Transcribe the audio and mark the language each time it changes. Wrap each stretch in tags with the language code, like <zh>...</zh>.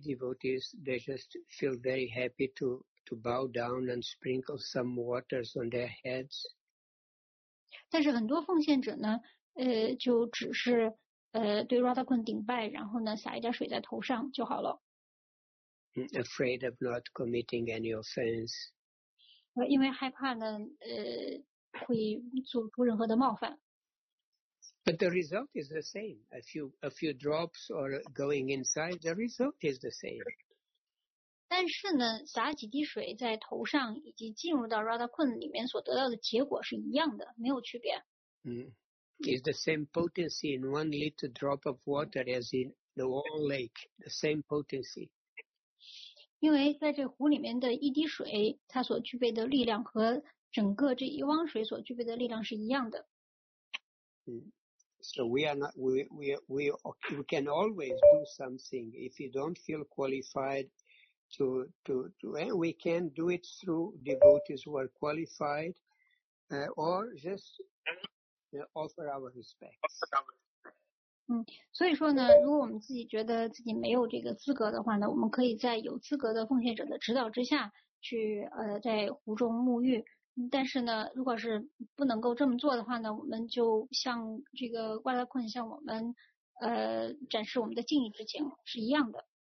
<en>devotees they just feel very happy to bow down and sprinkle some waters on their heads.</en> <zh>但是很多奉献者呢，就只是。对 Radha Kund 顶拜，然后呢撒一点水在头上就好了。</zh> <en>Afraid of not committing any offense.</en> <zh>因为害怕呢，会做出任何的冒犯。</zh> <en>But the result is the same. A few drops or going inside, the result is the same.</en> <zh>但是呢，洒几滴水在头上以及进入到 Radha Kund 里面所得到的结果是一样的，没有区别。嗯。</zh> <en>Is the same potency in one little drop of water as in the whole lake, the same potency.</en> <zh>因为在这湖里面的一滴水，它所具备的力量和整个这一汪水所具备的力量是一样的。</zh> <en>So we are not, we can always do something if you don't feel qualified to, and we can do it through devotees who are qualified, or just offer our respect.</en> <zh>所以说呢，如果我们自己觉得自己没有这个资格的话呢，我们可以在有资格的奉献者的指导之下去在湖中沐浴。但是呢，如果是不能够这么做的话呢，我们就向这个瓜拉坤向我们展示我们的敬意之情是一样的。</zh>